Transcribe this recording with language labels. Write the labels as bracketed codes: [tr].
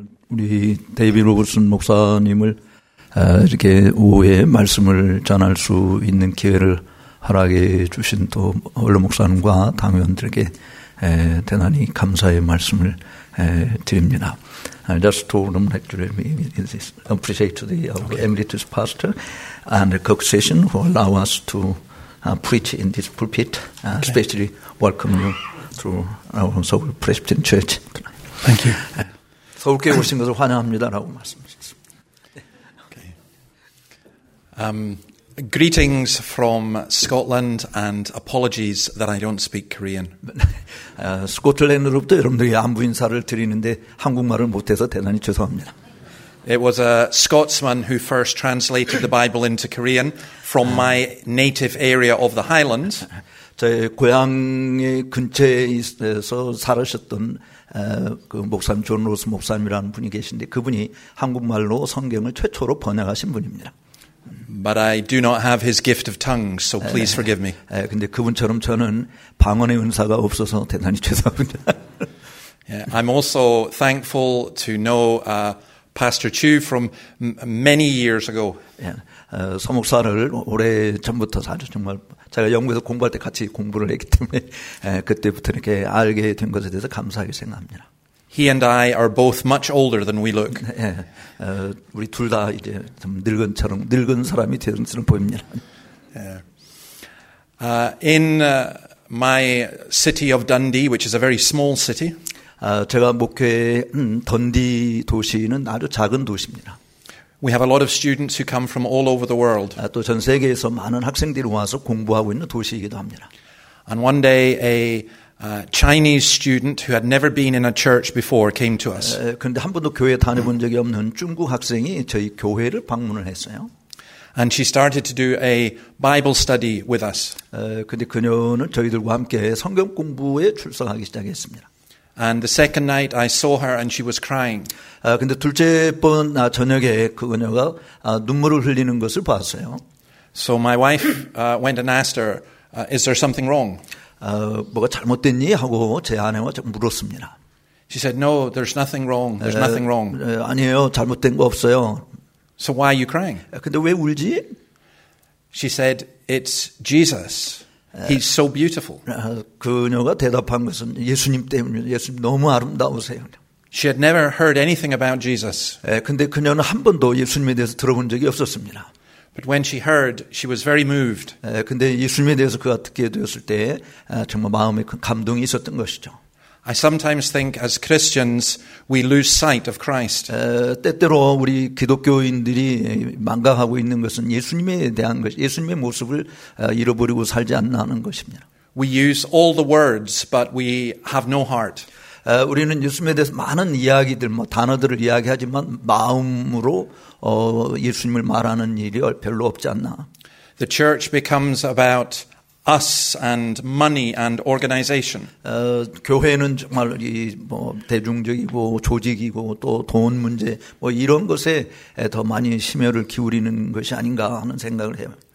[ko] 우리 데이비 로버슨 목사님을 이렇게 오후에 말씀을 전할 수 있는 기회를 허락해 주신 또 원로 목사님과 당회원들에게 대단히 감사의 말씀을 드립니다. [en] I just told him that you appreciate the emeritus pastor and the congregation who allow us to preach in this pulpit, especially welcome you to our Seoul Presbyterian Church. Thank you. [ko] 서울교회 오신 것을 환영합니다라고 말씀하셨습니다. [en] Greetings from Scotland and apologies that I don't speak Korean. [ko] 스코틀랜드로부터 여러분들이 안부 인사를 드리는데 한국말을 못해서 대단히 죄송합니다. [en] It was a Scotsman who first translated the Bible into Korean from my native area of the Highlands. [ko] 제 고향의 근처에서 살으셨던 그 목사님 존 로스 목사님이라는 분이 계신데 그분이 한국말로 성경을 최초로 번역하신 분입니다. [en] But I do not have his gift of tongues, so please forgive me. [ko] 근데 그분처럼 저는 방언의 은사가 없어서 대단히 죄송합니다. [en] Yeah, I'm also thankful to know Pastor Chu from many years ago. [ko] 서 목사를 오래 전부터 아주 정말 제가 영국에서 공부할 때 같이 공부를 했기 때문에 그때부터 이렇게 알게 된 것에 대해서 감사하게 생각합니다. [en] He and I are both much older than we look. [ko] 우리 둘 다 이제 좀 늙은처럼 늙은 사람이 되는처럼 보입니다. [en] In my city of Dundee, which is a very small city. [ko] 제가 목회한 던디 도시는 아주 작은 도시입니다. [en] We have a lot of students who come from all over the world. [ko] 또 전 세계에서 많은 학생들이 와서 공부하고 있는 도시이기도 합니다. [en] And one day a Chinese student who had never been in a church before came to us. [ko] 근데 한 번도 교회에 다녀본 적이 없는 중국 학생이 저희 교회를 방문을 했어요. [en] And she started to do a Bible study with us. [ko] 근데 그녀는 저희들과 함께 성경 공부에 출석하기 시작했습니다. [en] And the second night I saw her and she was crying. [ko] 근데 둘째 번 저녁에 그 그녀가 눈물을 흘리는 것을 봤어요. [en] So my wife went and asked her, is there something wrong? [ko] 뭐가 잘못됐니 하고 제 아내와 좀 물었습니다. [en] She said, "No, there's nothing wrong. There's nothing wrong." [ko] 아니에요, 잘못된 거 없어요. [en] So why are you crying? [ko] 근데 왜 울지? [en] She said, "It's Jesus. He's so beautiful." [ko] 그녀가 대답한 것은 예수님 때문입니다. 예수님 너무 아름다우세요. [en] She had never heard anything about Jesus. [ko] 근데 그녀는 한 번도 예수님에 대해서 들어본 적이 없었습니다. [en] But when she heard, she was very moved. [ko] 근데 예수님에 대해서 그가 듣게 되었을 때 정말 마음에 큰 감동이 있었던 것이죠. [en] I sometimes think as Christians, we lose sight of Christ. [ko] 때때로 우리 기독교인들이 망각하고 있는 것은 예수님에 대한 것, 예수님의 모습을 잃어버리고 살지 않나 하는 것입니다. [en] We use all the words, but we have no heart. [ko] 우리는 예수님에 대해서 많은 이야기들, 뭐 단어들을 이야기하지만 마음으로 예수님을 말하는 일이 별로 없지 않나. [en] The church becomes about us and money and organization. [ko] 교회는 정말 이 뭐 대중적이고 조직이고 또 돈 문제 뭐 이런 것에 더 많이 심혈을 기울이는 것이 아닌가 하는 생각을 해요.